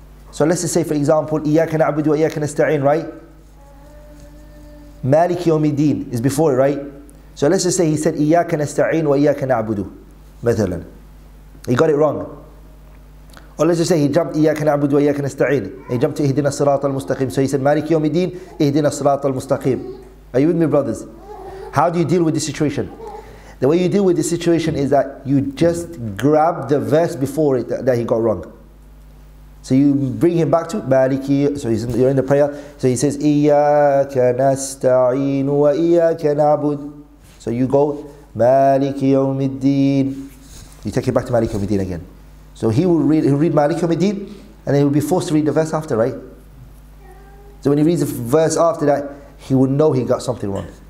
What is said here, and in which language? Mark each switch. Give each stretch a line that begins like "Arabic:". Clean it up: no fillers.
English: So let's just say, for example,
Arabic: إِيَّاكَ نَعْبُدُ وَإِيَّاكَ نَسْتَعِينَ,
English: right?
Arabic: مَالِكِ يَوْمِ الدِّينِ
English: is before it, right? So let's just say he said,
Arabic: إِيَّاكَ نَسْتَعِينَ وَإِيَّاكَ نَعْبُدُ مَثَلًا.
English: He got it wrong. Or let's just say he jumped,
Arabic: إِيَّاكَ نَعْبُدُ وَإِيَّاكَ نَسْتَعِينَ.
English: He jumped to
Arabic: إِهْدِنَا الصِّرَاطَ الْمُسْتَقِيمِ.
English: So he said,
Arabic: مَالِكِ يَوْمِ الدِّينِ إِهْدِنَا الصِّرَاطَ الْمُسْتَقِيمِ.
English: Are you with me, brothers? How do you deal with this situation? The way you deal with this situation is that you just grab the verse before it that he got wrong. So you bring him back to مَالِكِ. So you're in the prayer. So he says,
Arabic: إِيَّاكَ نَسْتَعِينُ وَإِيَّاكَ نَعْبُدُ.
English: So you go,
Arabic: مَالِكِ يَوْمِ الدِّينِ.
English: You take it back to مَالِكِ يَوْمِ الدِّينِ again. So he'll read
Arabic: مَالِكِ يَوْمِ الدِّينِ
English: and then he'll be forced to read the verse after, right? So when he reads the verse after that, he will know he got something wrong.